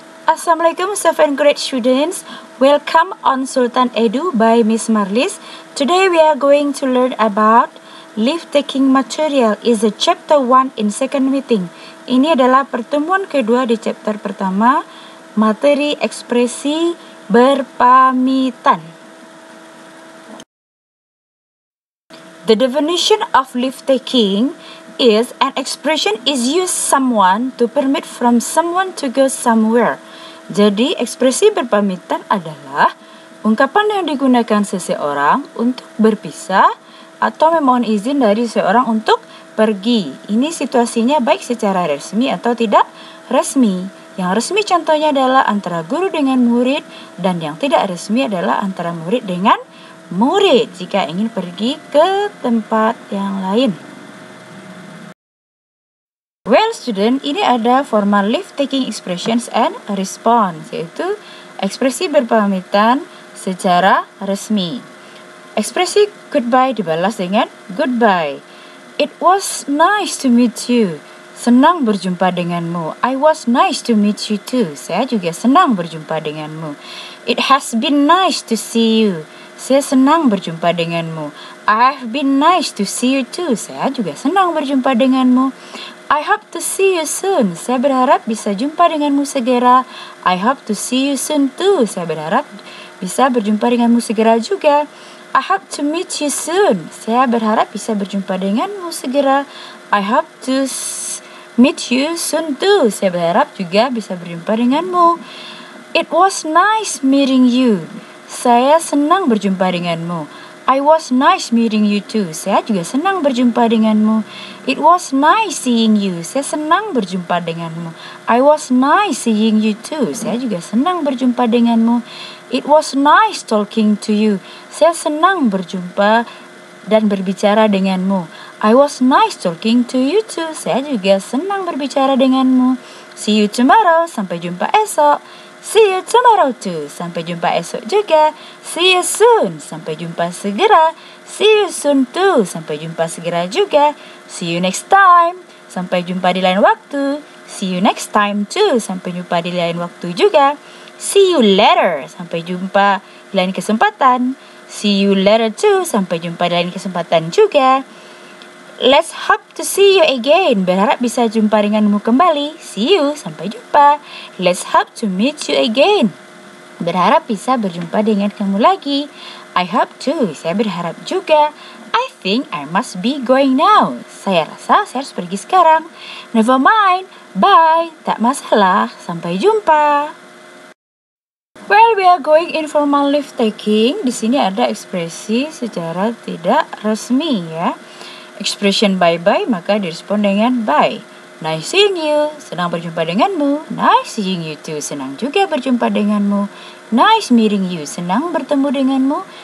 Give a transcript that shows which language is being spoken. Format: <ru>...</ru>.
<en>Assalamualaikum 7th grade students. Welcome on Sultan Edu by Miss Marlis. Today we are going to learn about leave taking material is a chapter 1 in second meeting.</en> <id>Ini adalah pertemuan kedua di chapter pertama, materi ekspresi berpamitan.</id> <en>The definition of leave taking is an expression is used someone to permit from someone to go somewhere.</en> <id>Jadi, ekspresi berpamitan adalah ungkapan yang digunakan seseorang untuk berpisah atau memohon izin dari seseorang untuk pergi. Ini situasinya baik secara resmi atau tidak resmi. Yang resmi contohnya adalah antara guru dengan murid, dan yang tidak resmi adalah antara murid dengan murid jika ingin pergi ke tempat yang lain. Well, student, ini ada</id> <en>formal leave-taking expressions and response,</en> <id>yaitu ekspresi berpamitan secara resmi. Ekspresi goodbye dibalas dengan goodbye.</id> <en>It was nice to meet you.</en> <id>Senang berjumpa denganmu.</id> <en>I was nice to meet you too.</en> <id>Saya juga senang berjumpa denganmu.</id> <en>It has been nice to see you.</en> <id>Saya senang berjumpa denganmu.</id> <en>I've been nice to see you too.</en> <id>Saya juga senang berjumpa denganmu.</id> <en>I hope to see you soon.</en> <id>Saya berharap bisa jumpa denganmu segera.</id> <en>I hope to see you soon too.</en> <id>Saya berharap bisa berjumpa denganmu segera juga.</id> <en>I hope to meet you soon.</en> <id>Saya berharap bisa berjumpa denganmu segera.</id> <en>I hope to meet you soon too.</en> <id>Saya berharap juga bisa berjumpa denganmu.</id> <en>It was nice meeting you.</en> <id>Saya senang berjumpa denganmu.</id> <en>I was nice meeting you too.</en> <id>Saya juga senang berjumpa denganmu.</id> <en>It was nice seeing you.</en> <id>Saya senang berjumpa denganmu.</id> <en>I was nice seeing you too.</en> <id>Saya juga senang berjumpa denganmu.</id> <en>It was nice talking to you.</en> <id>Saya senang berjumpa dan berbicara denganmu.</id> <en>I was nice talking to you too.</en> <id>Saya juga senang berbicara denganmu.</id> <en>See you tomorrow.</en> <id>Sampai jumpa esok.</id> <en>See you tomorrow too.</en> <id>Sampai jumpa esok juga.</id> <en>See you soon.</en> <id>Sampai jumpa segera.</id> <en>See you soon too.</en> <id>Sampai jumpa segera juga.</id> <en>See you next time.</en> <id>Sampai jumpa di lain waktu.</id> <en>See you next time too.</en> <id>Sampai jumpa di lain waktu juga.</id> <en>See you later.</en> <id>Sampai jumpa di lain kesempatan.</id> <en>See you later too.</en> <id>Sampai jumpa di lain kesempatan juga.</id> <en>Let's hope to see you again.</en> <id>Berharap bisa jumpa denganmu kembali.</id> <en>See you,</en> <id>sampai jumpa.</id> <en>Let's hope to meet you again.</en> <id>Berharap bisa berjumpa dengan kamu lagi.</id> <en>I hope to,</en> <id>saya berharap juga.</id> <en>I think I must be going now.</en> <id>Saya rasa saya harus pergi sekarang.</id> <en>Never mind, bye.</en> <id>Tak masalah, sampai jumpa.</id> <en>Well, we are going informal leave taking.</en> <id>Di sini ada ekspresi secara tidak resmi ya. Expression bye-bye, maka direspon dengan bye.</id> <en>Nice seeing you,</en> <id>senang berjumpa denganmu.</id> <en>Nice seeing you too,</en> <id>senang juga berjumpa denganmu.</id> <en>Nice meeting you,</en> <id>senang bertemu denganmu.</id>